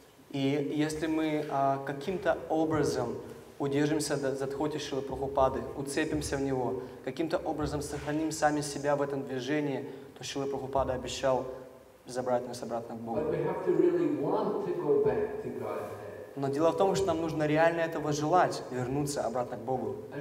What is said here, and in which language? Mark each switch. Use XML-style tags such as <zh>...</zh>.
<ru>И если мы каким-то образом удержимся за дхоти Шрилы Прабхупады, уцепимся в него, каким-то образом сохраним сами себя в этом движении, то Шрила Прабхупада обещал забрать нас обратно к Богу.</ru> <en>But we have to really want to go back to God.</en> <ru>Но дело в том, что нам нужно реально этого желать, вернуться обратно к Богу.</ru>